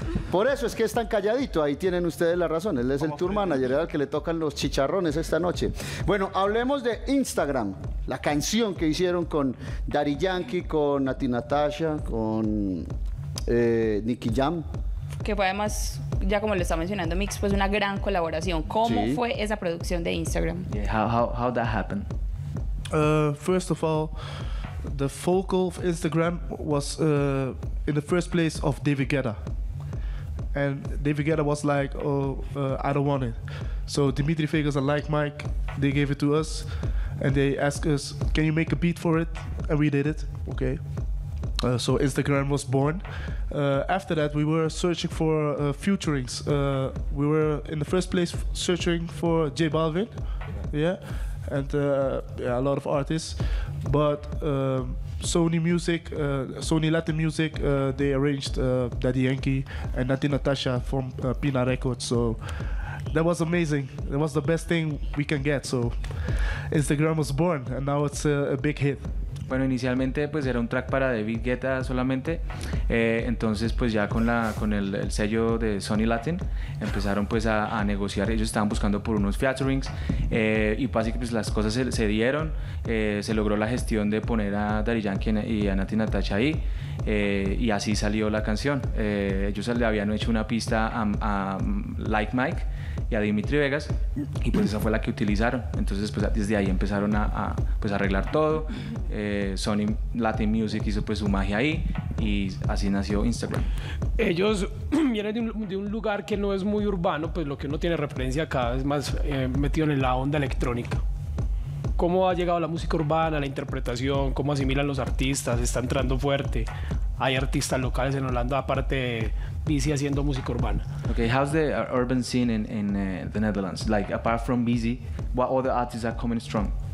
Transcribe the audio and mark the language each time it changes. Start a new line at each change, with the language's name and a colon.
Spanish: Por eso es que están calladitos, ahí tienen ustedes la razón. Él es el tour manager, al que le tocan los chicharrones esta noche. Bueno, hablemos de Instagram, la canción que hicieron con Daddy Yankee, con Nati Natasha, con Nicky Jam. Que fue además, ya como lo está mencionando Mix, pues una gran colaboración. ¿Cómo sí. fue esa producción de Instagram?
English: Yeah, how that happened? First of all, the focal of Instagram was in the first place of David Guetta. And David Guetta was like, I don't want it. So Dimitri Vegas and Like Mike, they gave it to us. And they asked us, can you make a beat for it? And we did it, okay. So Instagram was born. After that, we were searching for futurings. We were in the first place searching for J Balvin, yeah. And yeah, a lot of artists, but Sony Latin Music, they arranged Daddy Yankee and Nati Natasha from Pina Records. So that was amazing. That was the best thing we can get. So Instagram was born, and now it's a big hit.
Spanish: Bueno, inicialmente pues era un track para David Guetta solamente, entonces pues ya con el sello de Sony Latin empezaron pues a negociar. Ellos estaban buscando por unos featurings, y básicamente pues las cosas se dieron, se logró la gestión de poner a Daddy Yankee y a Nati Natasha ahí, y así salió la canción. Ellos le habían hecho una pista a Like Mike y a Dimitri Vegas, y pues esa fue la que utilizaron. Entonces pues desde ahí empezaron a pues arreglar todo. Sony Latin Music hizo pues su magia ahí, y así nació Instagram. Ellos vienen de un lugar que no es muy urbano, pues lo que uno tiene referencia acá es más metido en la onda electrónica. ¿Cómo ha llegado la música urbana, la interpretación? ¿Cómo asimilan los artistas? ¿Está entrando fuerte? ¿Hay artistas locales en Holanda aparte de Busy haciendo música urbana?
English: Okay, how's the urban scene in the Netherlands? Like, apart from Busy, what other artists are coming strong?